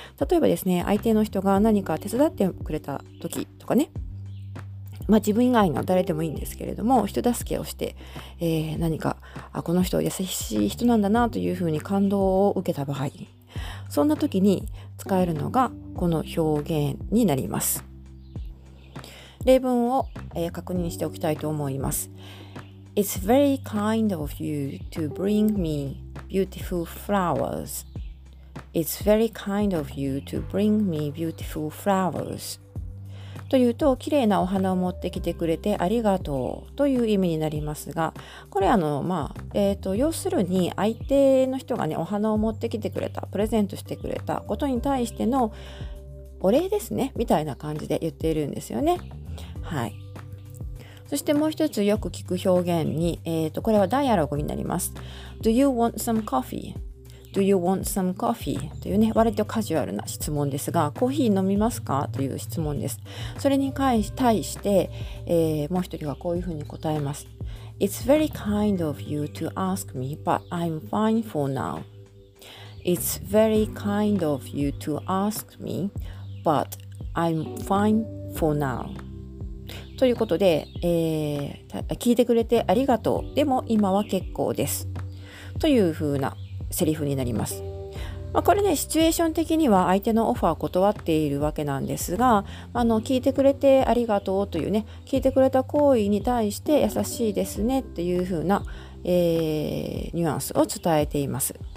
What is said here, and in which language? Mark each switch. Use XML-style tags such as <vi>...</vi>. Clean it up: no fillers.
<ja>例えばですね、相手の人が何か手伝ってくれた時とかね、まあ自分以外の誰でもいいんですけれども、人助けをして、何かこの人優しい人なんだなというふうに感動を受けた場合、そんな時に使えるのがこの表現になります。例文を、確認しておきたいと思います。</ja> <en>It's very kind of you to bring me beautiful flowersIt's very kind of you to bring me beautiful flowers.</en> <ja>というと、綺麗なお花を持ってきてくれてありがとうという意味になりますが、これ要するに相手の人がね、お花を持ってきてくれた、プレゼントしてくれたことに対してのお礼ですね、みたいな感じで言っているんですよね。はい。そしてもう一つよく聞く表現に、これはダイアログになります。</ja> <en>Do you want some coffee? Do you want some coffee?</en> <ja>というね、割とカジュアルな質問ですが、コーヒー飲みますか?という質問です。それに対して、もう一人がこういうふうに答えます。</ja> <en>It's very kind of you to ask me, but I'm fine for now. It's very kind of you to ask me, but I'm fine for now.</en> <ja>ということで、聞いてくれてありがとう。でも今は結構です。というふうなセリフになります。まあ、これね、シチュエーション的には相手のオファー断っているわけなんですが、聞いてくれてありがとうというね、聞いてくれた行為に対して優しいですねっていう風な、ニュアンスを伝えています。</ja>